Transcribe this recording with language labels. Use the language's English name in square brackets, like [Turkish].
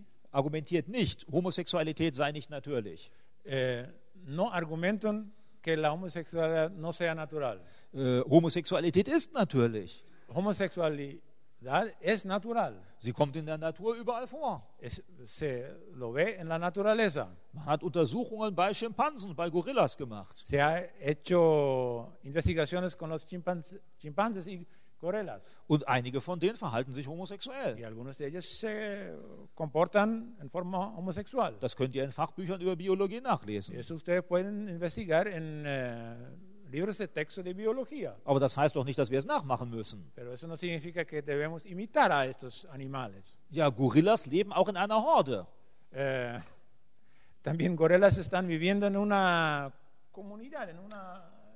[German] Argumentiert nicht, Homosexualität sei nicht natürlich. [Spanish] No argumenten que la homosexualidad no sea natural. [German] Homosexualität ist natürlich. [Spanish] Homosexualidad es natural. [German] Sie kommt in der Natur überall vor. [Spanish] Se lo ve en la naturaleza. [German] Man hat Untersuchungen bei Schimpansen, bei Gorillas gemacht. [Spanish] Se ha hecho investigaciones con los chimpanzes y gorillas. [German] Und einige von denen verhalten sich homosexuell. [Spanish] Y algunos de ellos se comportan en forma homosexual. [German] Das könnt ihr in Fachbüchern über Biologie nachlesen. [Spanish] Eso ustedes pueden investigar en libros de texto de biología. [German] Aber das heißt doch nicht, dass wir es nachmachen müssen. [Spanish] Pero eso no significa que debemos imitar a estos animales. [German] Ja, gorillas leben auch in einer Horde. [Spanish] También gorillas están viviendo en una comunidad, en una